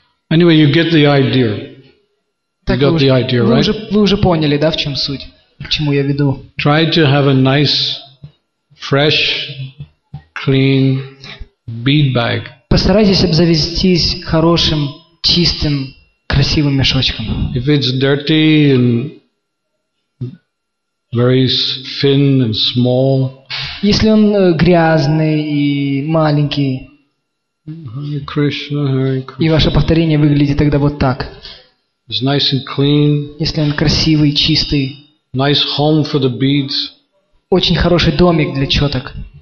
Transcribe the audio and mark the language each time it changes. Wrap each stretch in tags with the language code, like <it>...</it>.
<en>Anyway, you get the idea. You got the idea, right?</en> <ru>Вы уже поняли, да, в чем суть, к чему я веду.</ru> <en>Try to have a nice, fresh, clean bead bag.</en> <ru>Постарайтесь обзавестись хорошим, чистым, красивым мешочком.</ru> <en>If it's dirty and very thin and small.</en> <ru>Если он грязный и маленький.</ru> <sa>Hare Krishna, Hare Krishna.</sa> <ru>И ваше повторение выглядит тогда вот так.</ru> <en>It's nice and clean.</en> <ru>Если он красивый, чистый.</ru> <en>Nice home for the beads.</en> <ru>Очень хороший домик для чёток.</ru>